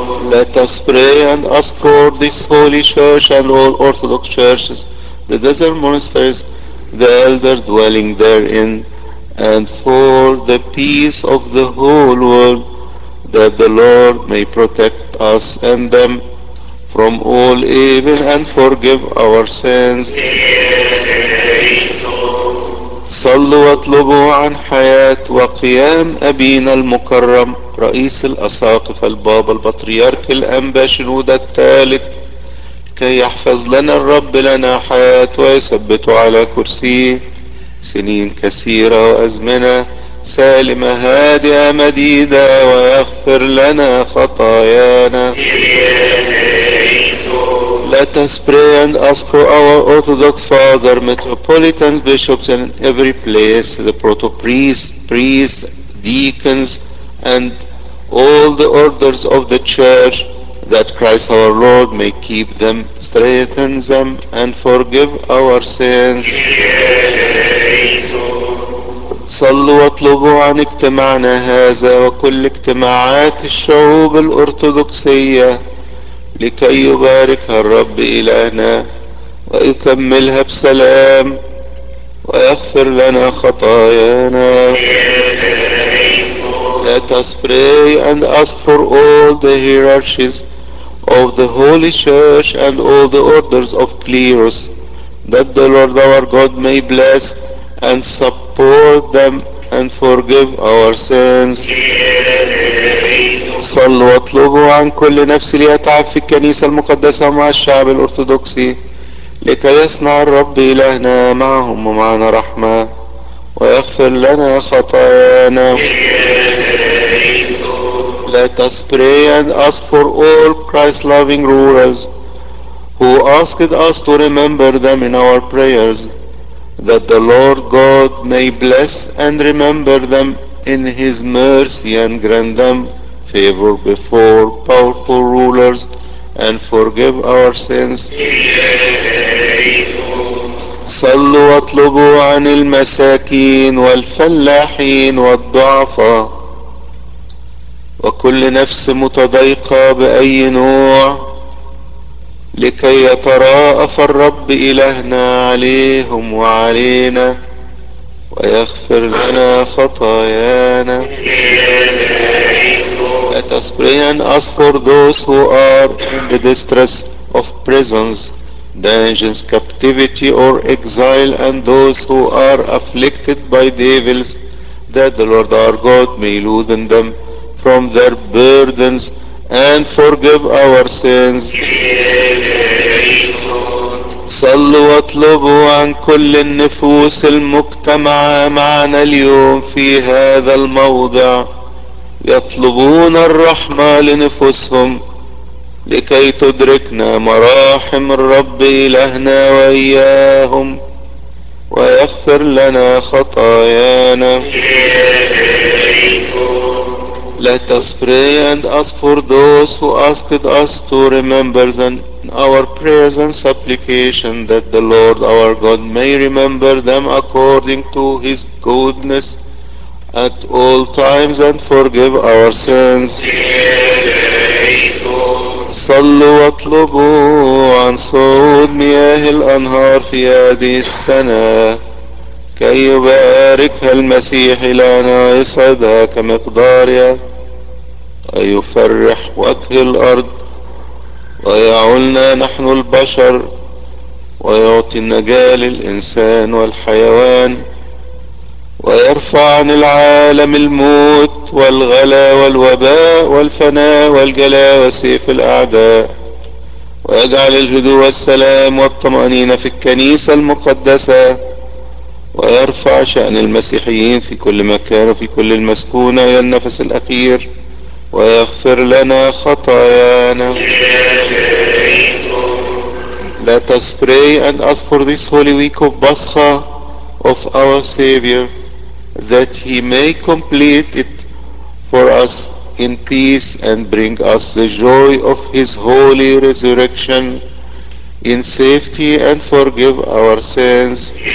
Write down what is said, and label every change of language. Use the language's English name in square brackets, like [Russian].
[English] Let us pray and ask for this holy church and all Orthodox churches, the desert monasteries, the elders dwelling therein, and for the peace of the whole world, that the Lord may protect us and them from all evil and forgive our sins. [Arabic] صلوا واطلبوا عن حياة وقيام أبينا المكرم رئيس الأساقف البابا البطريرك الأنبا شنودة الثالث كي يحفظ لنا الرب لنا حياة ويثبته على كرسيه سنين كثيرة وأزمنة سالمة هادئة مديدة ويغفر لنا خطايانا. [English] Let us pray and ask for our Orthodox Father, Metropolitans, Bishops in every place, the Proto-Priests, Priests, Deacons, and all the orders of the Church, that Christ our Lord may keep them, strengthen them, and forgive our sins. [Arabic] صلوا واطلبوا عن اجتماعنا هذا وكل اجتماعات الشعوب الأرثوذكسية لكي يباركها الرب إلهنا ويكملها بسلام ويغفر لنا خطايانا. [English] Let us pray and ask for all the hierarchies of the Holy Church and all the orders of clerics, that the Lord our God may bless and support them and forgive our sins. [Arabic] صلوا واطلبوا عن كل نفس ليتعب في الكنيسة المقدسة مع الشعب الأرثوذكسي لكي يصنع الرب إلهنا معهم ومعنا رحمة ويغفر لنا خطايانا. [English] Let us pray and ask for all Christ-loving rulers who asked us to remember them in our prayers, that the Lord God may bless and remember them in His mercy and grant them favor before powerful rulers and forgive our sins. [Arabic] صلوا واطلبوا عن المساكين والفلاحين والضعفاء وكل نفس متضيقة بأي نوع لكي يتراءف الرب إلهنا عليهم وعلينا ويغفر لنا خطايانا. [English] Let us pray and ask for those who are in the distress of prisons, dungeons, captivity or exile, and those who are afflicted by devils, that the Lord our God may loosen them from their burdens and forgive our sins. [Arabic] صلوا واطلبوا عن كل النفوس المجتمعة معنا اليوم في هذا الموضع يطلبون الرحمة لنفوسهم لكي تدركنا مراحم الرب إلهنا وإياهم ويغفر لنا خطايانا. [English] Let us pray and ask for those who asked us to remember them in our prayers and supplication, that the Lord our God may remember them according to His goodness at all times and forgive our sins. [Arabic] صلوا واطلبوا عن صعود مياه الأنهار في هذه السنة كي يباركها المسيح لنا يصعدها كمقدارها ويفرح وجه الأرض ويعلنا نحن البشر ويعطي النجاة للإنسان والحيوان ويرفع عن العالم الموت والغلا والوباء والفناء والجلاء وسيف الأعداء ويجعل الهدوء والسلام والطمأنينة في الكنيسة المقدسة ويرفع شأن المسيحيين في كل مكان وفي كل المسكونة إلى النفس الأخير ويغفر لنا خطايانا. [English] Let us pray and ask for this holy week of Pascha of our Savior, that He may complete it for us in peace and bring us the joy of His holy resurrection in safety and forgive our sins.